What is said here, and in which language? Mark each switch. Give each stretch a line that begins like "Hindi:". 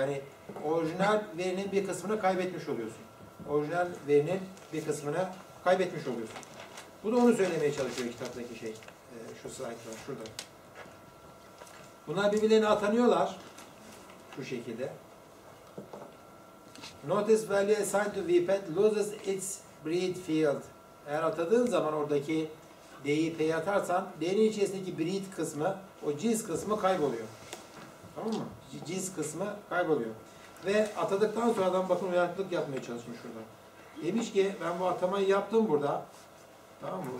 Turkish: Yani orijinal verinin bir kısmını kaybetmiş oluyorsun. Orijinal verinin bir kısmını kaybetmiş oluyorsun. Bu da onu söylemeye çalışıyor kitaptaki şey. Şu slide var. Şurada. Bunlar birbirlerine atanıyorlar. Şu şekilde.
English: Notice value assigned to VPET loses its breed field.
Turkish: Eğer atadığın zaman oradaki D'yi P'ye atarsan D'nin içerisindeki breed kısmı, o cins kısmı kayboluyor. Tamam mı? Cins kısmı kayboluyor. Ve atadıktan sonra adam bakın uyanıklık yapmaya çalışmış şurada. Demiş ki ben bu atamayı yaptım burada. Tamam mı?